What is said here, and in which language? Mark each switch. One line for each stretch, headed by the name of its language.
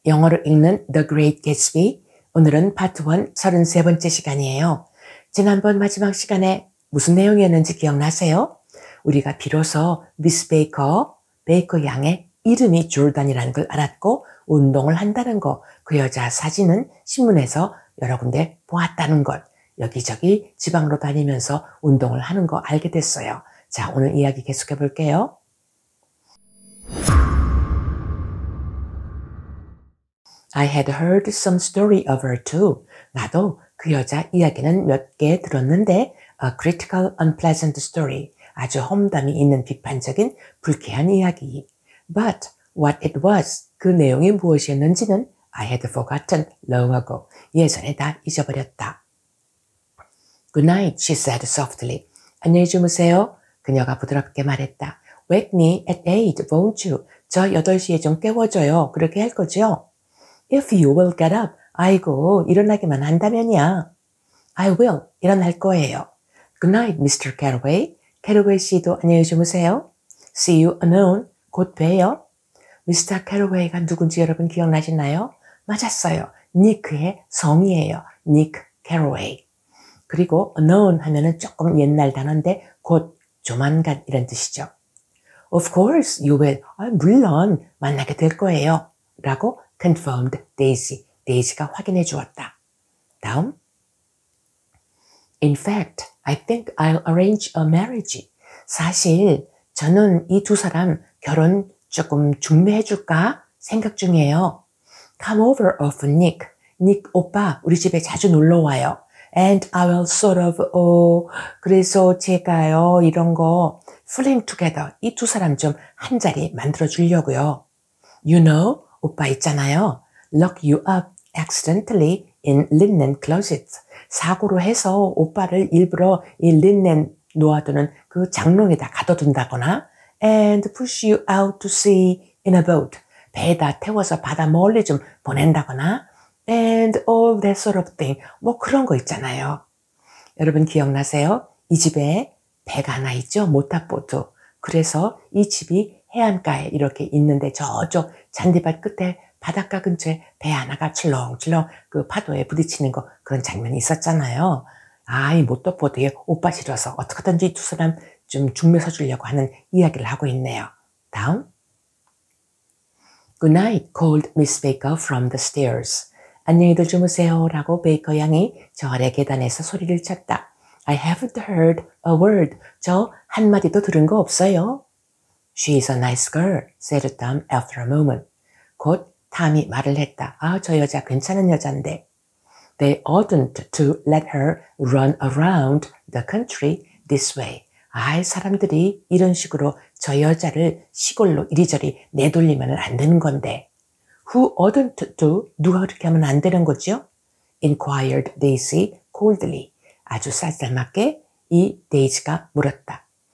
Korean: 영어를 읽는 The Great Gatsby. 오늘은 파트 1 33번째 시간이에요. 지난번 마지막 시간에 무슨 내용이었는지 기억나세요? 우리가 비로소 미스 베이커, 베이커 양의 이름이 조던이라는 걸 알았고 운동을 한다는 거, 그 여자 사진은 신문에서 여러 군데 보았다는 것, 여기저기 지방으로 다니면서 운동을 하는 거 알게 됐어요. 자, 오늘 이야기 계속해 볼게요.
English: I had heard some story of her too.
Korean: 나도 그 여자 이야기는 몇 개 들었는데
English: a critical unpleasant story.
Korean: 아주 험담이 있는 비판적인 불쾌한 이야기.
English: But what it was,
Korean: 그 내용이 무엇이었는지는
English: I had forgotten long ago.
Korean: 예전에 다 잊어버렸다.
English: Good night, she said softly.
Korean: 안녕히 주무세요. 그녀가 부드럽게 말했다.
English: Wake me at 8, won't you?
Korean: 저 8시에 좀 깨워줘요. 그렇게 할 거죠?
English: If you will get up,
Korean: 아이고, 일어나기만 한다면이야.
English: I will,
Korean: 일어날 거예요.
English: Good night, Mr. Carraway.
Korean: Carraway 씨도 안녕히 주무세요.
English: See you anon,
Korean: 곧 봬요.
English: Mr.
Korean: Carraway가 누군지 여러분 기억나시나요? 맞았어요. 니크의 성이에요. Nick Carraway. 그리고 anon 하면은 조금 옛날 단어인데 곧, 조만간 이런 뜻이죠.
English: Of course, you will.
Korean: 아, 물론 만나게 될 거예요. 라고
English: Confirmed Daisy.
Korean: Daisy가 확인해 주었다. 다음.
English: In fact, I think I'll arrange a marriage.
Korean: 사실 저는 이 두 사람 결혼 조금 중매해 줄까 생각 중이에요.
English: Come over often, Nick.
Korean: Nick 오빠 우리 집에 자주 놀러 와요.
English: And I will sort of, oh,
Korean: 그래서 제가요 이런 거
English: fling together.
Korean: 이 두 사람 좀 한 자리 만들어 주려고요.
English: You know,
Korean: 오빠 있잖아요.
English: Lock you up accidentally in linen closet.
Korean: 사고로 해서 오빠를 일부러 이 linen 놓아두는 그 장롱에다 가둬둔다거나
English: and push you out to sea in a boat.
Korean: 배에다 태워서 바다 멀리 좀 보낸다거나
English: and all that sort of thing.
Korean: 뭐 그런 거 있잖아요. 여러분 기억나세요? 이 집에 배가 하나 있죠? 모터보트. 그래서 이 집이 해안가에 이렇게 있는데 저쪽 잔디밭 끝에 바닷가 근처에 배 하나가 출렁출렁 그 파도에 부딪히는 거 그런 장면이 있었잖아요. 아, 이 모터보드에 오빠 싫어서 어떻게든지 두 사람 좀 중매서 주려고 하는 이야기를 하고 있네요. 다음.
English: Good night, called Miss Baker from the stairs.
Korean: 안녕히들 주무세요 라고 베이커 양이 저 아래 계단에서 소리를 쳤다.
English: I haven't heard a word.
Korean: 저 한마디도 들은 거 없어요.
English: She is a nice girl, said Tom after a moment.
Korean: 곧 탐이 말을 했다. 아, 저 여자 괜찮은 여잔데.
English: They oughtn't to let her run around the country this way.
Korean: 아이, 사람들이 이런 식으로 저 여자를 시골로 이리저리 내돌리면 안 되는 건데.
English: Who oughtn't to?
Korean: 누가 그렇게 하면 안 되는 거죠?
English: Inquired Daisy coldly.
Korean: 아주 쌀쌀맞게 이 데이지가 물었다.